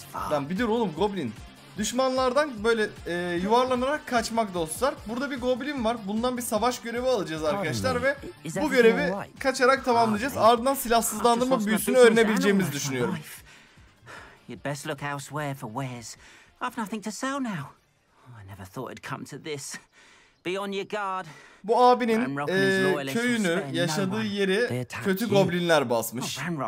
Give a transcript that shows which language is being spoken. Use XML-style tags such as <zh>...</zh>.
<tr>Lan bir dur oğlum, goblin. Düşmanlardan böyle yuvarlanarak kaçmak dostlar. Burada bir goblin var. Bundan bir savaş görevi alacağız arkadaşlar ve bu görevi kaçarak tamamlayacağız. Ardından silahsızlandırma büyüsünü öğrenebileceğimizi düşünüyorum.</tr> <en>You'd best look elsewhere for Wes. I've nothing to sell now. I never thought it'd come to this. Be on your guard.</en> <tr>Bu abinin köyünü, yaşadığı yeri kötü goblinler basmış.</tr>